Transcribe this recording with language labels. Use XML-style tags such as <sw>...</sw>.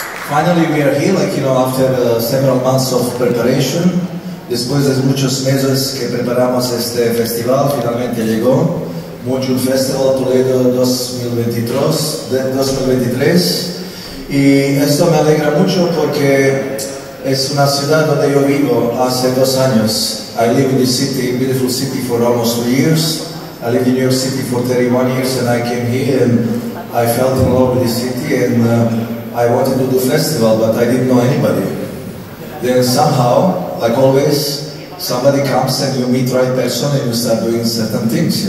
<en>Finally we are here, like you know, after several months of preparation.</en> <es>Después de muchos meses que preparamos este festival, finalmente llegó.</es> <en>MOONJUNE Festival Toledo 2023.</en> <es>Y esto me alegra mucho porque es una ciudad donde yo vivo hace 2 años.</es> <en>I live in this city, beautiful city, for almost 3 years. I lived in New York City for 31 years and I came here and I fell in love with this city and I wanted to do festival, but I didn't know anybody. Then somehow, like always, somebody comes and you meet the right person and you start doing certain things.</en>